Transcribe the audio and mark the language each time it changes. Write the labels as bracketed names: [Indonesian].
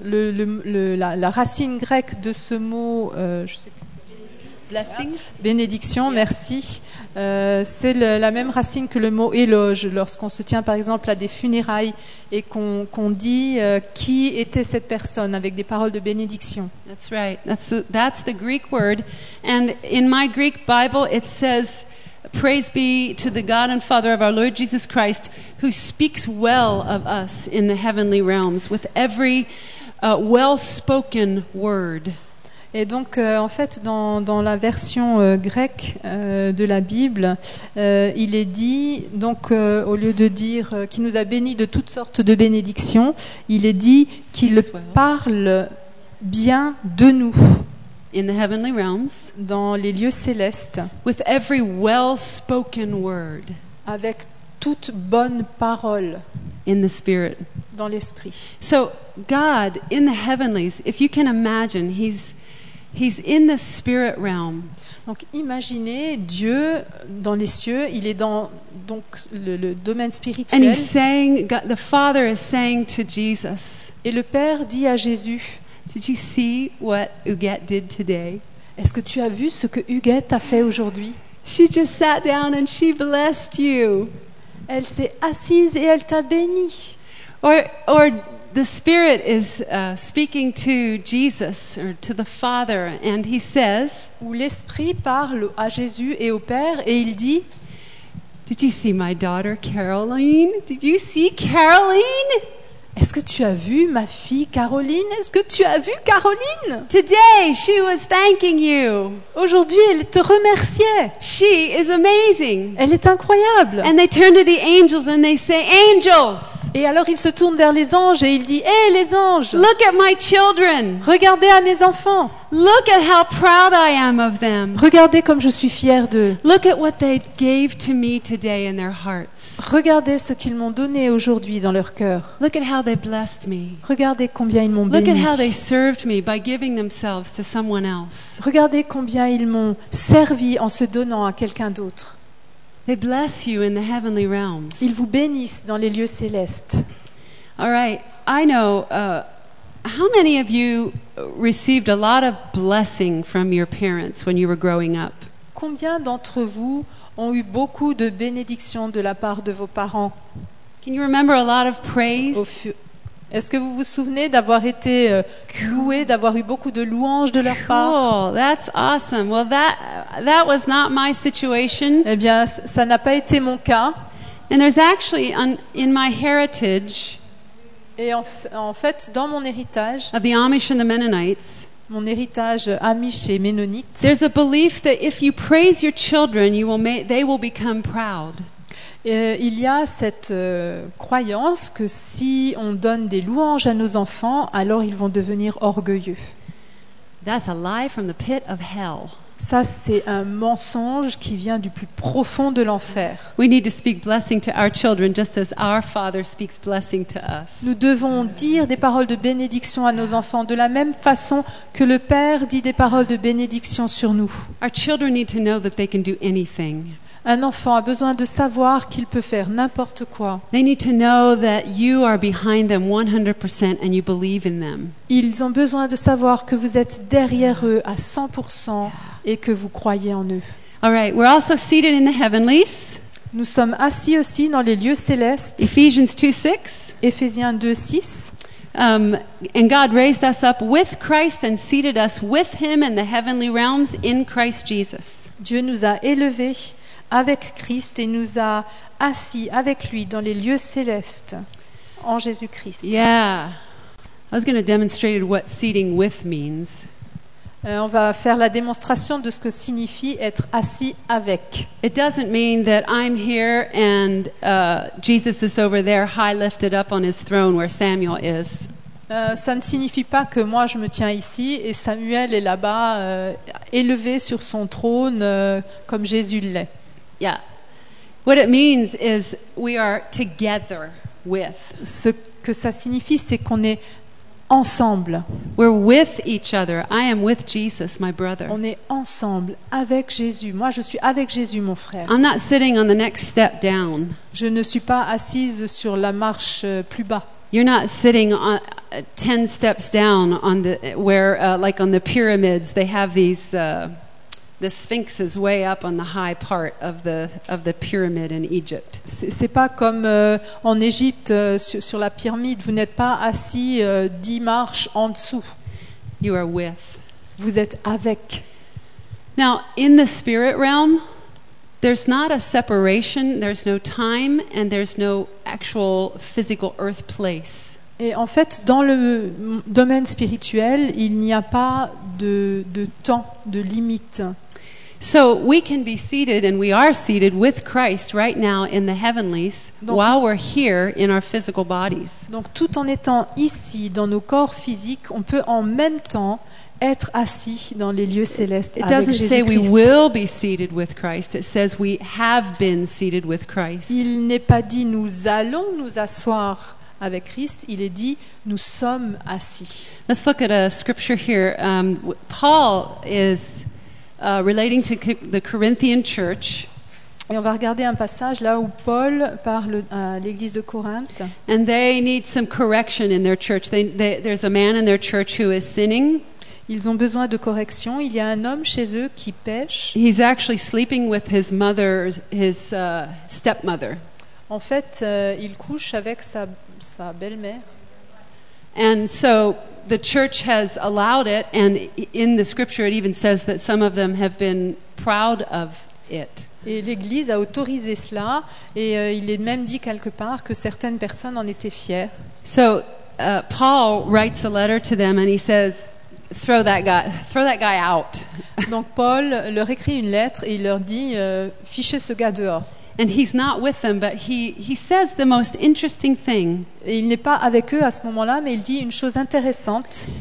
[French] La racine grecque de ce mot, je sais plus. [English] Blessing. [French] Bénédiction, merci. C'est la même racine que le mot éloge. Lorsqu'on se tient par exemple à des funérailles et qu'on dit qui était cette personne avec des paroles de bénédiction. [English] That's right. That's the Greek word. And in my Greek Bible, it says, "Praise be to the God and Father of our Lord Jesus Christ, who speaks well of us in the heavenly realms with every well-spoken word." [French] Et donc, en fait, dans la version grecque de la Bible, il est dit, donc, au lieu de dire qu'il nous a bénis de toutes sortes de bénédictions, il est dit qu'il parle bien de nous. [English] In the heavenly realms, [French] dans les lieux célestes. [English] With every well-spoken word. [French] Avec toute bonne parole. [English] In the spirit. [French] Dans l'esprit. [English] So, God, in the heavenlies, if you can imagine, He's in the spirit realm. [French] Donc imaginez Dieu dans les cieux, il est dans donc le domaine spirituel. [English] And he's saying, God, the Father is saying to Jesus. [French] Et le Père dit à Jésus, [English] "Did you see what Huguette did today? [French] Est-ce que tu as vu ce que Huguette a fait aujourd'hui? [English] She just sat down and she blessed you. [French] Elle s'est assise et elle t'a béni. [English] Or the Spirit is speaking to Jesus or to the Father, and he says, [French] où l'Esprit parle à Jésus et au Père, et il dit, [English] "Did you see my daughter Caroline? Did you see Caroline? [French] Est-ce que tu as vu ma fille Caroline? Est-ce que tu as vu Caroline? [English] Today she was thanking you. [French] Aujourd'hui elle te remerciait. [English] She is amazing. [French] Elle est incroyable. [English] And they turn to the angels and they say, angels. [French] Et alors il se tourne vers les anges et il dit, hey les anges. [English] Look at my children. [French] Regardez à mes enfants. [English] Look at how proud I am of them. [French] Regardez comme je suis fière d'eux. [English] Look at what they gave to me today in their hearts. [French] Regardez ce qu'ils m'ont donné aujourd'hui dans leur cœur. [English] Look at how they blessed me. [French] Regardez combien ils m'ont béni. [English] Look at how they served me by giving themselves to someone else. [French] Regardez combien ils m'ont servi en se donnant à quelqu'un d'autre. [English] They bless you in the heavenly realms. [French] Ils vous bénissent dans les lieux célestes. [English] All right, I know. How many of you received a lot of blessing from your parents when you were growing up? [French] Combien d'entre vous ont eu beaucoup de bénédictions de la part de vos parents? [English] Can you remember a lot of praise? [French] Est-ce que vous vous souvenez d'avoir été loué, d'avoir eu beaucoup de louanges de leur part? [English] Cool, that's awesome. Well, that was not my situation. [French] Eh bien, ça n'a pas été mon cas. [English] And there's actually in my heritage. [French] Et en fait, dans mon héritage, [English] of the Amish and the Mennonites, [French] mon héritage Amish et Mennonite, [English] there's a belief that if you praise your children, they will become proud. [French] Il y a cette croyance que si on donne des louanges à nos enfants, alors ils vont devenir orgueilleux. [English] That's a lie from the pit of hell. [French] Ça, c'est un mensonge qui vient du plus profond de l'enfer. [English] We need to speak blessing to our children just as our Father speaks blessing to us. [French] Nous devons dire des paroles de bénédiction à nos enfants de la même façon que le Père dit des paroles de bénédiction sur nous. [English] Our children need to know that they can do anything. [French] Un enfant a besoin de savoir qu'il peut faire n'importe quoi. [English] They need to know that you are behind them 100% and you believe in them. [French] Ils ont besoin de savoir que vous êtes derrière eux à 100% et que vous croyez en eux. [English] All right, we're also seated in the heavenlies. [French] Nous sommes assis aussi dans les lieux célestes. Ephésiens 2:6. [English] And God raised us up with Christ and seated us with him in the heavenly realms in Christ Jesus. [French] Dieu nous a élevés avec Christ et nous a assis avec lui dans les lieux célestes en Jésus-Christ. [English] Yeah. was going to demonstrate what seating with means. [French] On va faire la démonstration de ce que signifie être assis avec. [English] It doesn't mean that I'm here and Jesus is over there high lifted up on his throne where Samuel is. [French] Ça ne signifie pas que moi je me tiens ici et Samuel est là-bas élevé sur son trône comme Jésus l'est. [English] Yeah. What it means is we are together with. [French] Ce que ça signifie, c'est qu'on est ensemble. [English] We're with each other. I am with Jesus, my brother. [French] On est ensemble avec Jésus. Moi, je suis avec Jésus, mon frère. [English] I'm not sitting on the next step down. [French] Je ne suis pas assise sur la marche plus bas. [English] You're not sitting on 10 steps down on the where like on the pyramids they have these the Sphinx is way up on the high part of the pyramid in Egypt. [French] C'est pas comme en Égypte sur la pyramide, vous n'êtes pas assis 10 marches en dessous. [English] You are with. [French] Vous êtes avec. [English] Now in the spirit realm there's not a separation, there's no time and there's no actual physical earth place. [French] Et en fait dans le domaine spirituel, il n'y a pas de temps, de limite. [English] So we can be seated and we are seated with Christ right now in the heavenlies while we're here in our physical bodies. [French] Donc tout en étant ici dans nos corps physiques, on peut en même temps être assis dans les lieux célestes avec Jésus-Christ. [English] It doesn't say we will be seated with Christ. It says we have been seated with Christ. [French] Il n'est pas dit nous allons nous asseoir avec Christ. Il est dit nous sommes assis. [English] Let's look at a scripture here. Paul is relating to the Corinthian church. [French] Et on va regarder un passage là où Paul parle à l'église de Corinthe. [English] And they need some correction in their church. There's a man in their church who is sinning. [French] Ils ont besoin de correction. Il y a un homme chez eux qui pêche. [English] He's actually sleeping with his mother, his stepmother. [French] En fait, il couche avec sa belle-mère. [English] And so the church has allowed it, and in the scripture it even says that some of them have been proud of it. [French] Et l'église a autorisé cela, et il est même dit quelque part que certaines personnes en étaient fières. [English] So Paul writes a letter to them, and he says, Throw that guy out. [French] Donc Paul leur écrit une lettre et il leur dit fichez ce gars dehors. [English] And he's not with them, but he says the most interesting thing. [French] Et il n'est pas avec eux à ce moment-là, mais il dit une chose intéressante.